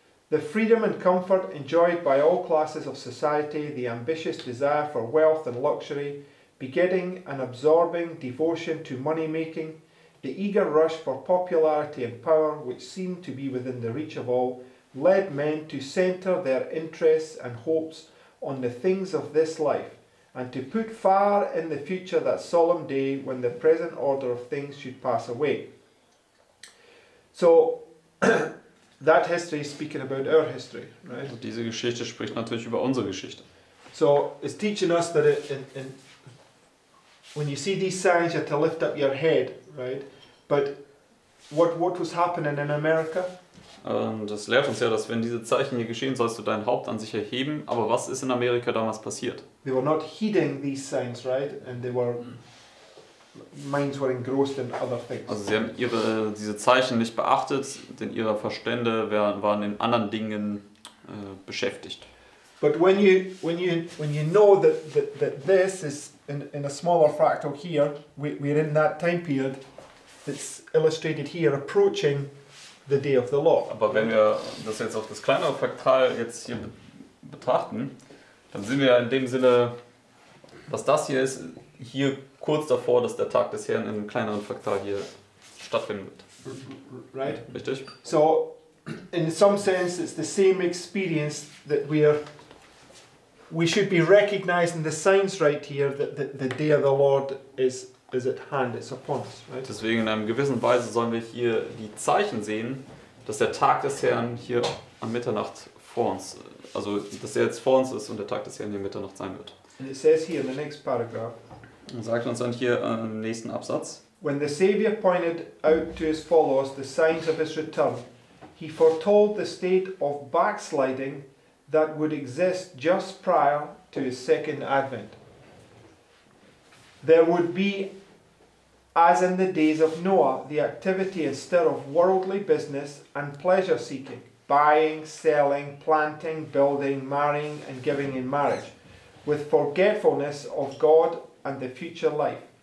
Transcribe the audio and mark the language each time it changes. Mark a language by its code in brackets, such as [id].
[en] The freedom and comfort enjoyed by all classes of society, the ambitious desire for wealth and luxury, begetting an absorbing devotion to money-making, the eager rush for popularity and power, which seemed to be within the reach of all, led men to center their interests and hopes on the things of this life, and to put far in the future that solemn day when the present order of things should pass away. So, that history is speaking about our history, right? [de] Und diese Geschichte spricht natürlich über unsere Geschichte. [en] So, it's teaching us that in when you see these signs, you have to lift up your head, right? But what was happening in America? [de] Und das lehrt uns ja, dass wenn diese Zeichen hier geschehen, sollst du dein Haupt an sich erheben. Aber was ist in Amerika damals passiert? [en] They were not heeding these signs, right? And they were minds were engrossed in other things. [de] Also sie haben diese Zeichen nicht beachtet, denn ihre Verstände waren in anderen Dingen beschäftigt. [en] But when you know that this is in a smaller fractal here, we're in that time period that's illustrated here, approaching the day of the law. [de] Aber wenn wir das jetzt auf das kleinere Fraktal jetzt hier betrachten, dann sind wir ja in dem Sinne, was das hier ist, hier kurz davor, dass der Tag des Herrn in einem kleineren Fraktal hier stattfinden wird. [en] Right? [de] Richtig? [en] So, in some sense, it's the same experience that we should be recognizing the signs right here that the day of the Lord is at hand, it's upon us, right? [de] Deswegen in einer gewissen Weise sollen wir hier die Zeichen sehen, dass der Tag des Herrn hier an Mitternacht vor uns, also dass er jetzt vor uns ist und der Tag des Herrn hier Mitternacht sein wird. [en] And it says here in the next paragraph, [de] und sagt uns dann hier im nächsten Absatz, [en] when the Savior pointed out to his followers the signs of his return, he foretold the state of backsliding that would exist just prior to his second advent. There would be, as in the days of Noah, the activity instead of worldly business and pleasure seeking, buying, selling, planting, building, marrying, and giving in marriage, with forgetfulness of God and the future life.